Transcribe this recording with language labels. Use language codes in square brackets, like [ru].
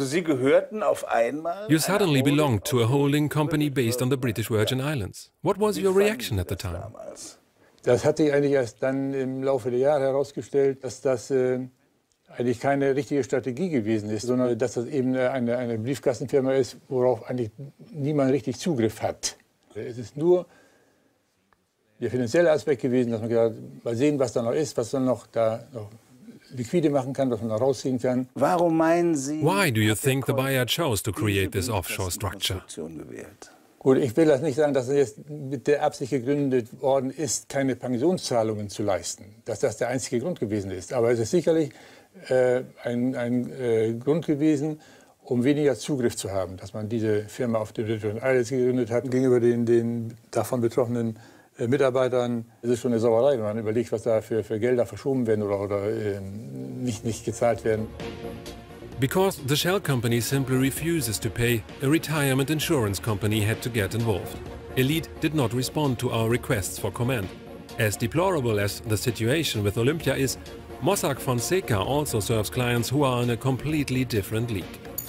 [en] You suddenly belonged to a holding company based on the British Virgin Islands. What was your reaction at the time? [de] Das hatte ich eigentlich erst dann im Laufe der Jahre herausgestellt, dass das eigentlich keine richtige Strategie gewesen ist, sondern dass das eben eine Briefkastenfirma ist, worauf eigentlich niemand richtig Zugriff hat. Es ist nur der finanzielle Aspekt gewesen, dass man gesagt hat, mal sehen, was da noch ist, was dann noch da noch liquide machen kann, was man rausziehen kann. Warum meinen Sie? [en] Why do you think the buyer chose to create this offshore structure? [de] Gut, ich will das nicht sagen, dass es jetzt mit der Absicht gegründet worden ist, keine Pensionszahlungen zu leisten, dass das der einzige Grund gewesen ist. Aber es ist sicherlich ein Grund gewesen, um weniger Zugriff zu haben, dass man diese Firma auf dem Virgin Islands gegründet hat gegenüber den davon betroffenen Mitarbeitern. Es ist schon eine Sauerei, wenn man überlegt, was da für Gelder verschoben werden oder nicht gezahlt werden. [en] Because the shell company simply refuses to pay, a retirement insurance company had to get involved. Elite did not respond to our requests for comment. As deplorable as the situation with Olympia is, Mossack Fonseca also serves clients who are in a completely different league.